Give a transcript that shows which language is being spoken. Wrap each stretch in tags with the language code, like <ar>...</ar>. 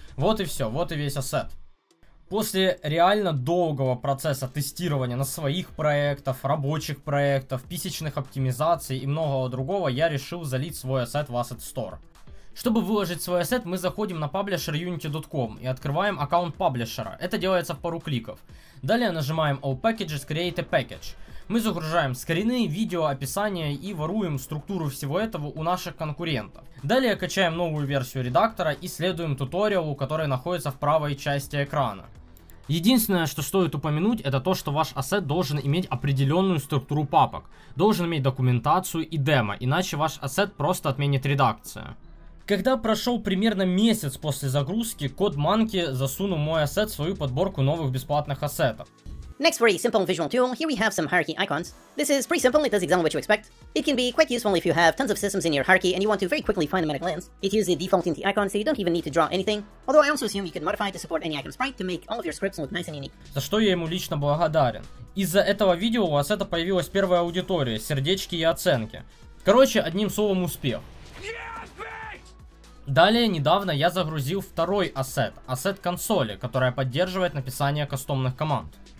<ru>Вот и все, вот и весь ассет. После реально долгого процесса тестирования на своих проектах, рабочих проектах, писечных оптимизаций и многого другого, я решил залить свой ассет в Asset Store. Чтобы выложить свой ассет, мы заходим на паблишер unity.com и открываем аккаунт паблишера. Это делается в пару кликов. Далее нажимаем All Packages, Create a Package. Мы загружаем скрины, видео, описание и воруем структуру всего этого у наших конкурентов. Далее качаем новую версию редактора и следуем туториалу, который находится в правой части экрана. Единственное, что стоит упомянуть, это то, что ваш ассет должен иметь определенную структуру папок. Должен иметь документацию и демо, иначе ваш ассет просто отменит редакцию. Когда прошел примерно месяц после загрузки, CodeMonkey засунул мой ассет в свою подборку новых бесплатных ассетов.</ru> <en>Next very simple visual tool, here we have some hierarchy icons. This is pretty simple, it does exactly what you expect. It can be quite useful if you have tons of systems in your hierarchy and you want to very quickly find them at a glance. It uses the default Unity icon, so you don't even need to draw anything. Although I also assume you can modify to support any icon sprite to make all of your scripts look nice and unique.</en> <ru>За что я ему лично благодарен. Из-за этого видео у ассета появилась первая аудитория, сердечки и оценки. Короче, одним словом, успех. Далее, недавно я загрузил второй ассет, ассет консоли, которая поддерживает написание кастомных команд.</ru>